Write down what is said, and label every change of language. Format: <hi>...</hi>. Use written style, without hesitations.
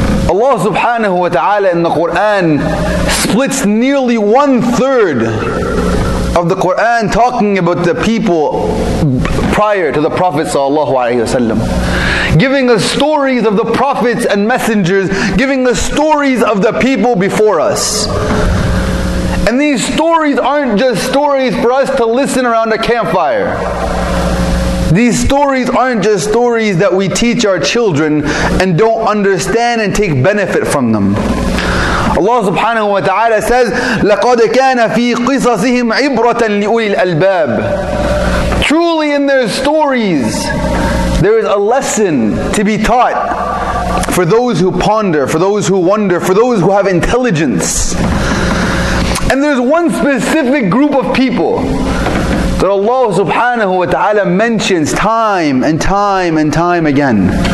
<en>Allah subhanahu wa ta'ala in the Qur'an splits nearly one third of the Qur'an talking about the people prior to the Prophet sallallahu alayhi wa sallam, giving us stories of the prophets and messengers, giving us stories of the people before us. And these stories aren't just stories for us to listen around a campfire. These stories aren't just stories that we teach our children and don't understand and take benefit from them.</en> <ar>Allah subhanahu wa ta'ala says, لَقَدْ كَانَ فِي قِصَصِهِمْ عِبْرَةً لِأُولِي الْأَلْبَابِ.</ar> <en>Truly in their stories, there is a lesson to be taught for those who ponder, for those who wonder, for those who have intelligence. And there's one specific group of people that Allah subhanahu wa ta'ala mentions time and time and time again.</en>